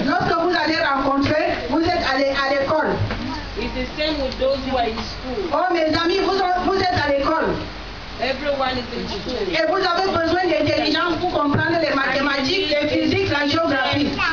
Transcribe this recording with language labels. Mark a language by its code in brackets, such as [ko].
[fr] Lorsque vous allez rencontrer, vous êtes allé à l'école. [en] It's the same with those who are in school. [fr] Oh, mes amis, vous êtes à l'école. [en] Everyone is in school. [fr] Et vous avez besoin d'intelligence pour comprendre les mathématiques, les physiques, la géographie.